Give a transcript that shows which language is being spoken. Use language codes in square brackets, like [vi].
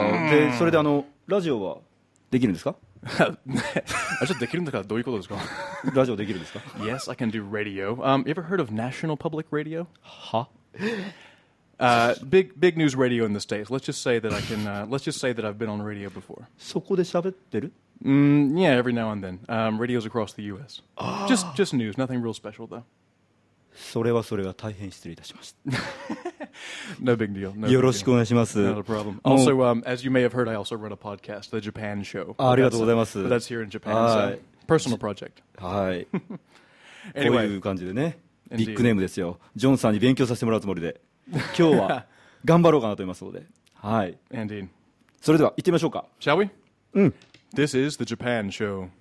[ja] で、それであのラジオはできるんですか? ラジオできるんだからどういうことですか? ラジオできるんですか? [en] Yes, I can do radio. You ever heard of National Public Radio? Huh? big news radio in the States. Let's just say that I can. Let's just say that I've been on radio before. [ja] そこで喋ってる? [en] Yeah, every now and then. Radios across the U.S. Just news. Nothing real special though. [ja] それはそれは大変失礼いたしました。 [en] No big deal. [ja] よろしくお願いします。 [en] Not a problem. Also, as you may have heard, I also run a podcast, The Japan Show. [ja] ありがとうございます。 [en] But that's here in Japan. So personal project. [ja] はい。 [en] Anyway, [ja] こういう感じでね。 [en] Indeed. [ja] ビッグネームですよ。ジョンさんに勉強させてもらうつもりで。今日は頑張ろうかなと思いますので、はい。 [en] Indeed. [ja] それでは行ってみましょうか。 [en] Shall we? [ja] うん。 [en] This is the Japan Show.